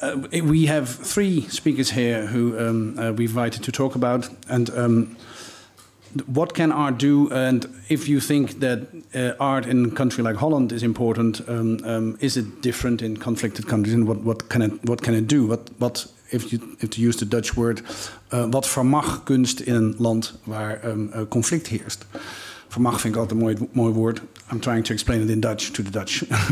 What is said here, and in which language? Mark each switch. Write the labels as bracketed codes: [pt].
[en] We have three speakers here who we've invited to talk about, and what can art do? And if you think that art in a country like Holland is important, is it different in conflicted countries? And what can it do? If to use the Dutch word, [nl] wat vermag kunst in een land waar conflict heerst? Vermag vind ik altijd een mooi woord. [en] I'm trying to explain it in Dutch to the Dutch.